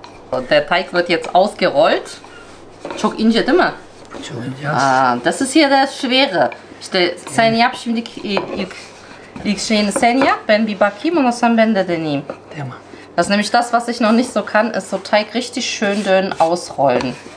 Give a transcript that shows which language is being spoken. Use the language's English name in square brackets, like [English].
[German] So, der Teig wird jetzt ausgerollt. [Turkish] Çok ince, değil mi? Çok ince. [German] Ah, das ist hier das Schwere. [Turkish] İşte sen yap şimdi ilk şeyini sen yap, ben bir bakayım und sonra ben de deneyeyim. Tamam. [German] Das ist nämlich das, was ich noch nicht so kann, ist so Teig richtig schön dünn ausrollen.